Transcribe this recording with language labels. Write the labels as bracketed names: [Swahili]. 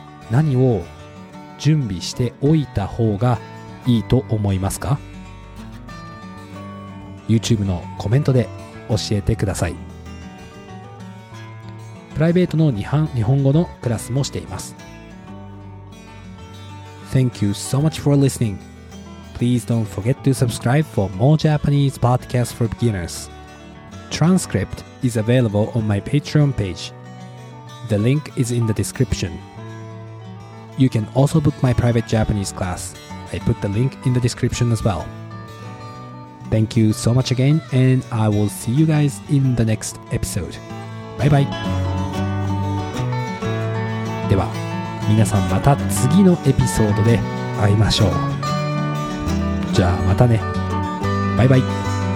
[Japanese] 何を準備しておいた方がいいと思いますか？ YouTube のコメントで教えてください。プライベートの日本語のクラスもしています。 [English] Thank you so much for listening. Please don't forget to subscribe for more Japanese podcasts for beginners. Transcript is available on my Patreon page. The link is in the description. You can also book my private Japanese class. I put the link in the description as well. Thank you so much again, and I will see you guys in the next episode. Bye bye. [Japanese] では、皆さんまた次のエピソードで会いましょう。じゃあまたね。バイバイ。